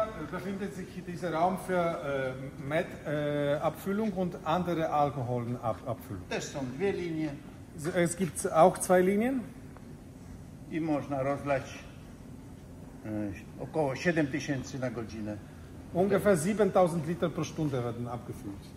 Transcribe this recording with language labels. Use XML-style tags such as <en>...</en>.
<de>Befindet sich dieser Raum für Met-Abfüllung und andere Alkoholabfüllung? Das sind zwei Linien. Es gibt auch zwei Linien.</de> <pl>I można rozlać około 7000 na godzinę.</pl> <de>Ungefähr 7000 Liter pro Stunde werden abgefüllt.</de>